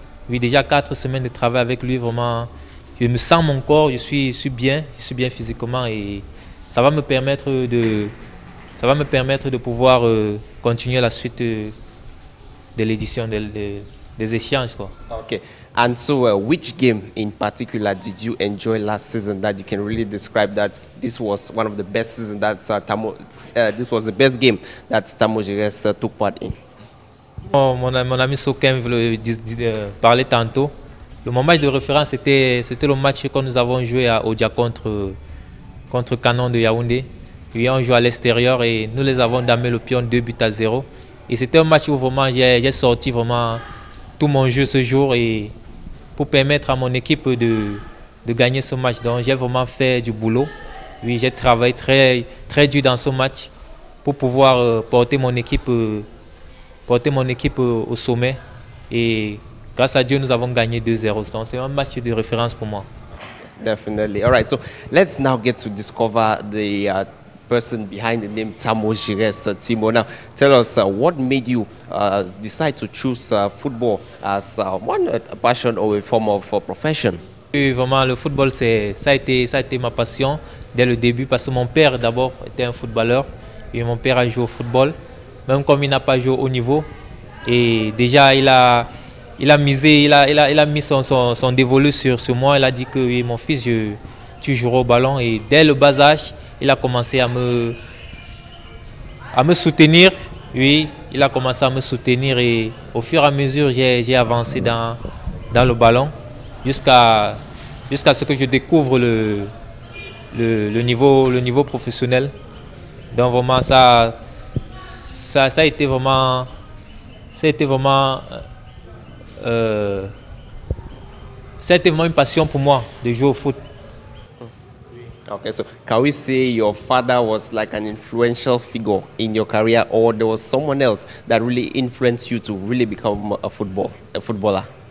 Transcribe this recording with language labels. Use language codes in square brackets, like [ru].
[fr] Oui, déjà 4 semaines de travail avec lui, vraiment je me sens mon corps, je suis bien physiquement, et ça va me permettre de pouvoir continuer la suite de l'édition des échanges, quoi. [en] Okay. And so, which game in particular did you enjoy last season that you can really describe that this was one of the best season that this was the best game that Tamo Giras took part in? [fr] Mon ami Sokem parlait tantôt. Le moment de référence c'était le match que nous avons joué à Oja contre Canon de Yaoundé. Oui, on joue à l'extérieur et nous les avons damé le pion 2-0. Et c'était un match où vraiment j'ai sorti vraiment tout mon jeu ce jour, et pour permettre à mon équipe de gagner ce match. Donc j'ai vraiment fait du boulot. Oui, j'ai travaillé très très dur dans ce match pour pouvoir porter mon équipe au sommet, et grâce à Dieu nous avons gagné 2-0. Donc c'est un match de référence pour moi. [en] Definitely. All right, so let's now get to discover the person behind the name Tamo Giras. Timo, now tell us what made you decide to choose football as a passion or a form of a profession? [fr] Oui, vraiment, le football, ça a été ma passion dès le début, parce que mon père d'abord était un footballeur, et mon père a joué au football, même comme il n'a pas joué au niveau, et déjà il a mis son dévolu sur moi. Il a dit que oui, mon fils, tu joueras au ballon, et dès le bas âge il a commencé à me soutenir, oui, Il a commencé à me soutenir et au fur et à mesure, j'ai avancé dans le ballon jusqu'à ce que je découvre le niveau professionnel. Donc vraiment, ça a été vraiment une passion pour moi de jouer au foot. [en] Okay, so can we say your father was like an influential figure in your career, or there was someone else that really influenced you to really become a footballer?